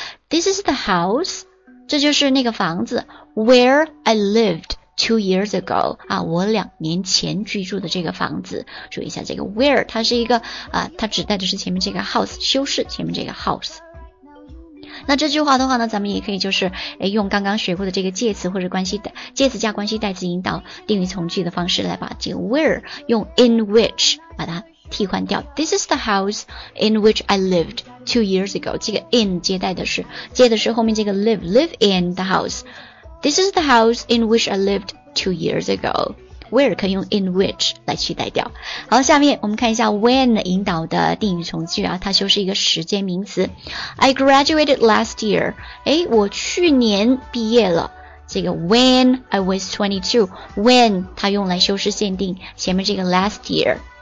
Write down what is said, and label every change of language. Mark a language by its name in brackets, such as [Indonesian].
[English] this is the house [Chinese] 这就是那个房子 [English] where I lived 2 years ago [Chinese] 啊，我2年前居住的这个房子注意一下这个 where 它是一个它指代的是前面这个 house 修饰前面这个 house 那这句话的话呢，咱们也可以就是用刚刚学过的这个介词或者关系介词加关系代词引导定语从句的方式来把这个 where 用 [English] in which [Chinese] 把它替换掉。 [English] This is the house in which I lived 2 years ago. [Chinese] 这个 in 接的是后面这个 [English] live in the house. This is the house in which I lived 2 years ago. [Chinese] Where 可以用 [English] in which [Chinese] 来取代掉。好，下面我们看一下 when 引导的定语从句啊，它修饰一个时间名词。 [English] I graduated last year. [Chinese] 诶，我去年毕业了。这个 [English] when I was 22, [Chinese] when 它用来修饰限定前面这个 last year。